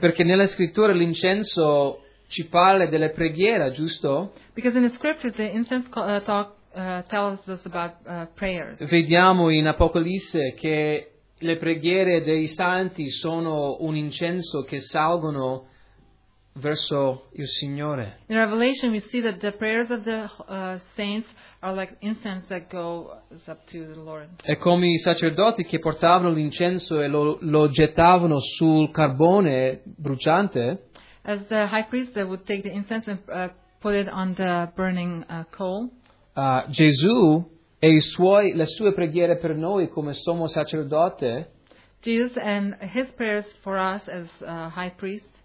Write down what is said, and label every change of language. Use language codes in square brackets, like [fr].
[it] Perché nella scrittura l'incenso ci parla della preghiera, giusto? [en] Because in the scriptures the incense tells us about prayers. [it] Vediamo in Apocalisse che le preghiere dei santi sono un incenso che salgono verso il Signore. [en] In Revelation we see that the prayers of the saints are like incense that goes up to the Lord. [it] È come i sacerdoti che portavano l'incenso e lo gettavano sul carbone bruciante. [en] As the high priest that would take the incense and put it on the burning coal. [it] Gesù e le sue preghiere per noi come sommo sacerdote. [en] Jesus and his prayers for us as high priest.